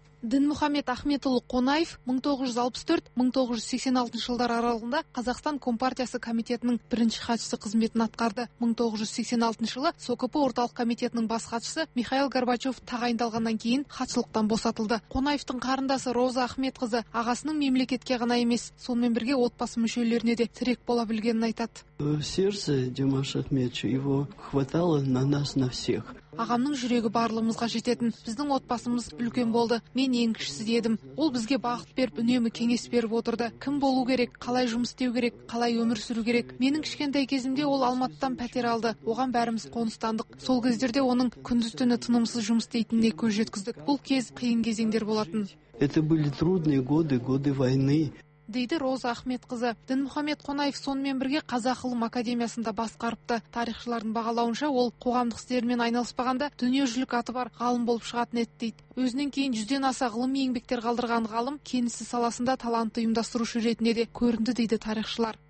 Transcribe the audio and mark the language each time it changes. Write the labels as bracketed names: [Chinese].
[Kazakh] Дінмұхаммед Ахметұлы Қонаев 1964-1986 жылдар аралығында Қазақстан Компартиясы комитетінің бірінші хатшысы қызметін атқарды. 1986 жылы СОКП орталық комитетінің бас хатшысы Михаил Горбачев тағайындалғаннан кейін хатшылықтан босатылды. Қонаевтың қарындасы Роза Ахметқызы ағасының мемлекетке ғана емес, сонымен бірге отбасы мүшелеріне де тірек бола білгенін айтады. [Russian] Сердце Димаша Ахметовича его хватало на нас на всех. [Kazakh] Ағамның жүрегі барлығымызға жететін. Біздің отбасымыз үлкен болды. Мен ең кішісі едім. Ол бізге бағыт беріп, үнемі кеңес беріп отырды. Кім болу керек, қалай жұмыс істеу керек, қалай өмір сүру керек. Менің кішкентай кезімде ол Алматыдан пәтер алды. Оған бәріміз қоныстандық. Сол кездерде оның күндіз-түні тынымсыз жұмыс істейтініне көз жеткіздік. Бұл кез қиын кезеңдер болатын. [Russian] Это были трудные годы, годы войны. [Kazakh] Дейді Роза Ахметқызы. Дінмұхаммед Қонаев сонымен бірге Қазақ ғылым академиясында басқарыпты. Тарихшылардың бағалауынша ол қоғамдық істермен айналыспағанда дүниежүзілік аты бар ғалым болып шығатын еді дейді. Өзінен кейін 100-ден аса ғылыми еңбектер қалдырған ғалым кеңсі саласында талантты ұйымдастырушы ретінде де көрінді дейді тарихшылар.